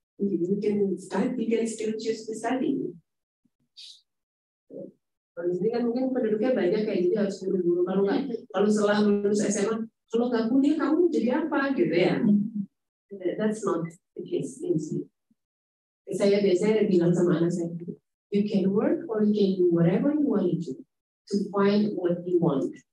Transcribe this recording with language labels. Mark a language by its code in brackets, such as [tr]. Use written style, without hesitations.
[en] you can start, you can still choose to study. [id] Kalau ini kan mungkin penduduknya banyak kayak gitu, harus buru-buru. Kalau nggak, kalau setelah lulus SMA, kalau nggak kuliah kamu jadi apa gitu ya? [en] That's not the case in Sweden. [id] Saya biasanya bilang sama anak saya, [en] you can work or you can do whatever you want to do to find what you want.